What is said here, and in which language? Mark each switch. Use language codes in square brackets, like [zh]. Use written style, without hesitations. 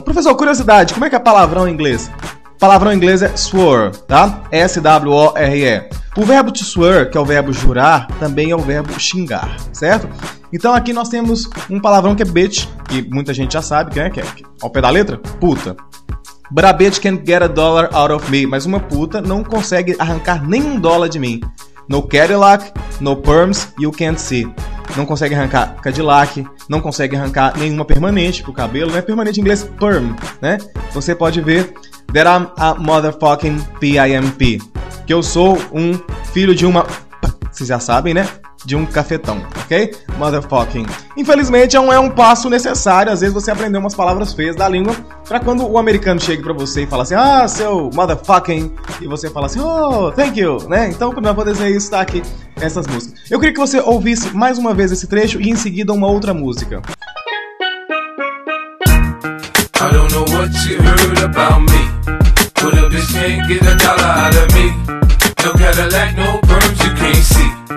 [pt] Professor, curiosidade, como é que é palavrão em inglês? Palavrão em inglês é swear, tá? S-W-O-R-E. O verbo to swear, que é o verbo jurar, também é o verbo xingar, certo? Então aqui nós temos um palavrão que é bitch, que muita gente já sabe, né? Que é ao pé da letra, puta. [en] But a bitch can't get a dollar out of me. [pt] Mas uma puta não consegue arrancar nem um dólar de mim. [en] No Cadillac, no perms, you can't see. [pt] Não consegue arrancar Cadillac, não consegue arrancar nenhuma permanente pro cabelo, né? Permanente em inglês, perm, né? Você pode ver [en] that I'm a motherfucking P.I.M.P. [pt] Que eu sou um filho de uma... Vocês já sabem, né? de um cafetão, ok? Motherfucking. Infelizmente, é um passo necessário. Às vezes você aprender umas palavras feias da língua pra quando o americano chega pra você e fala assim, ah, seu motherfucking, e você fala assim, [en] oh, thank you, [pt] né? Então, pra poder dizer isso, tá aqui essas músicas. Eu queria que você ouvisse mais uma vez esse trecho e em seguida uma outra música. [en] I don't know what you heard about me. But a bitch can't get a dollar out of me. No Cadillac, no perms, you can't see.